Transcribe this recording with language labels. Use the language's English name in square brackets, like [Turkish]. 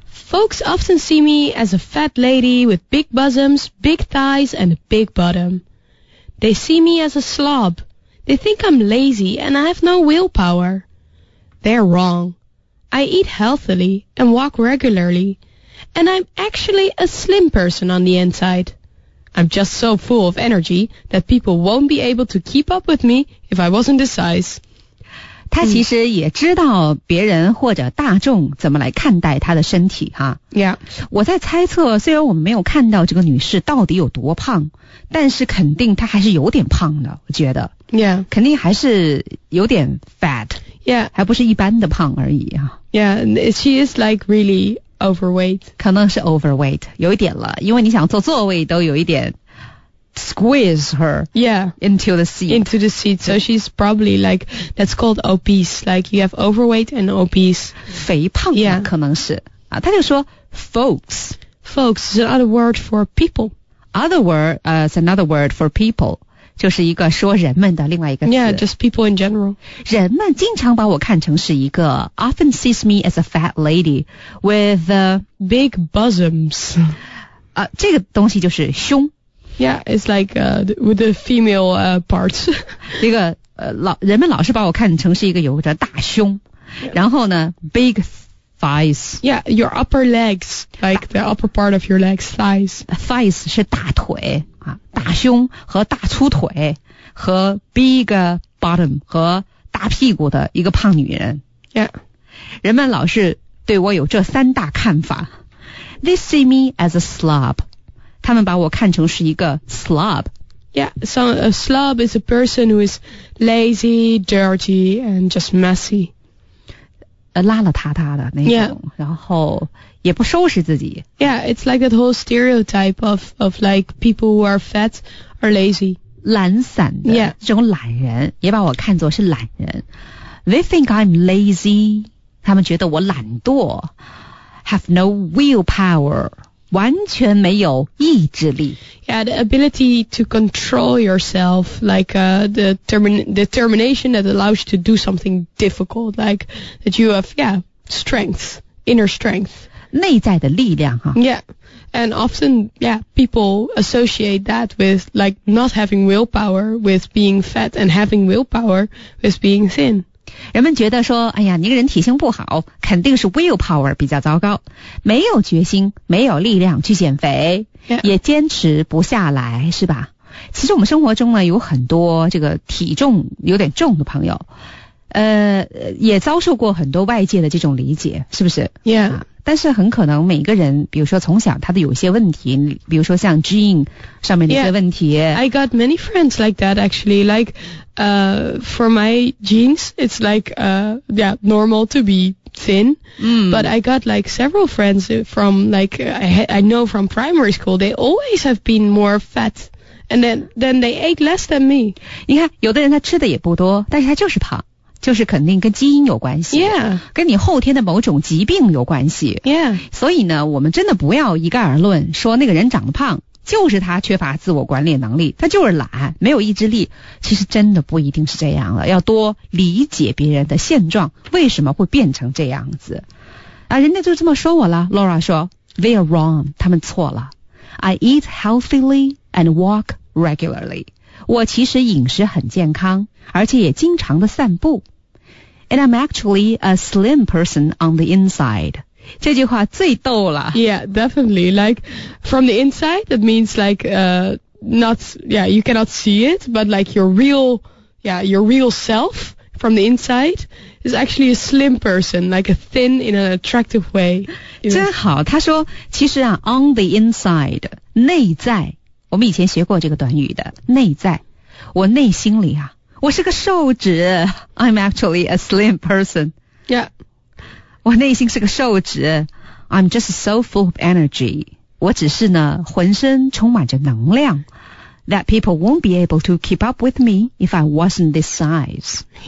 [English] Folks often see me as a fat lady with big bosoms, big thighs, and a big bottom. They see me as a slob. They think I'm lazy and I have no willpower. They're wrong. I eat healthily and walk regularly, and I'm actually a slim person on the inside. I'm just so full of energy that people won't be able to keep up with me if I wasn't this size. [Chinese] 他其实也知道别人或者大众怎么来看待他的身体哈。 [English] Yeah. [Chinese] 我在猜测，虽然我们没有看到这个女士到底有多胖，但是肯定她还是有点胖的，我觉得。 [English] Yeah. [Chinese] 肯定还是有点 fat. [English] Yeah. [Chinese] 还不是一般的胖而已啊。 [English] Yeah, she is like really overweight. [Chinese] 可能是 overweight, 有一点了。因为你想坐座位都有一点 [English] squeeze her. Yeah. Into the seat. Into the seat. So she's probably like, that's called obese. Like you have overweight and obese. [Chinese] 肥胖了可能是。 [English] Yeah. [Chinese] 啊他就说 folks. [English] Folks is another word for people. Other word, is another word for people. [Chinese] 就是一个说人们的另外一个词 [English] Yeah, just people in general [Chinese] 人们经常把我看成是一个 [English] Often sees me as a fat lady With big bosoms [Chinese] 啊，这个东西就是胸 [English] Yeah, it's like with the female parts [Chinese] 这个人们老是把我看成是一个有着大胸、yeah. 然后呢 [English] Big thighs Yeah, your upper legs Like the upper part of your legs, thighs [Chinese] Thighs 是大腿啊、大胸和大粗腿和 [English] big bottom [Chinese] 和大屁股的一个胖女人 [English] Yeah [Chinese] 人们老是对我有这三大看法 [English] They see me as a slob [Chinese] 他们把我看成是一个 slob [English] Yeah, so a slob is a person who is lazy, dirty and just messy [Chinese] 邋邋遢遢的那种、 [English] yeah. [Chinese] 然后也不收拾自己。 [English] Yeah, it's like that whole stereotype of like people who are fat are lazy. [Chinese] 懒散的、 [English] yeah. [Chinese] 这种懒人也把我看作是懒人。 [English] They think I'm lazy. [Chinese] 他们觉得我懒惰。 [English] Have no willpower. [Chinese] 完全没有意志力。 [English] Yeah, the ability to control yourself, like the determination that allows you to do something difficult, like that you have, yeah, strength, inner strength. [Chinese] 内在的力量哈。 [English] Yeah, and often, yeah, people associate that with like not having willpower with being fat and having willpower with being thin. [Chinese] 人们觉得说，哎呀，你个人体型不好，肯定是 willpower 比较糟糕，没有决心，没有力量去减肥， [English] yeah. [Chinese] 也坚持不下来，是吧？其实我们生活中呢，有很多这个体重有点重的朋友，也遭受过很多外界的这种理解，是不是？ [English] Yeah.、啊 [Chinese] 但是很可能每个人比如说从小他的有些问题，比如说像 gene 上面的一些问题。 [English] I got many friends like that actually, like for my genes it's like normal to be thin, but I got like several friends from like I know from primary school, they always have been more fat and then they ate less than me. [Chinese] 你看有的人他吃的也不多，但是他就是胖，就是肯定跟基因有关系。 [English] Yeah. [Chinese] 跟你后天的某种疾病有关系。 [English] Yeah. [Chinese] 所以呢我们真的不要一概而论说那个人长得胖就是他缺乏自我管理能力，他就是懒，没有意志力。其实真的不一定是这样了，要多理解别人的现状，为什么会变成这样子。啊，人家就这么说我了， Laura 说 [English] They are wrong, [Chinese] 他们错了。 [English] I eat healthily and walk regularly, [Chinese] 我其实饮食很健康，而且也经常的散步。 [English] And I'm actually a slim person on the inside, [Chinese] 这句话最逗了。 [English] Yeah, definitely. Like, from the inside, that means like, you cannot see it, but like your real self from the inside is actually a slim person, like a thin in an attractive way. [Chinese] 真好，他说，其实啊 , [English] on the inside, [Chinese] 内在，我们以前学过这个短语的，内在，我内心里啊，我是个瘦子。 [English] I'm actually a slim person. Yeah. [Chinese] 我内心是个瘦子。 [English] I'm just so full of energy, [Chinese] 我只是呢浑身充满着能量。 [English] That people won't be able to keep up with me if I wasn't this size.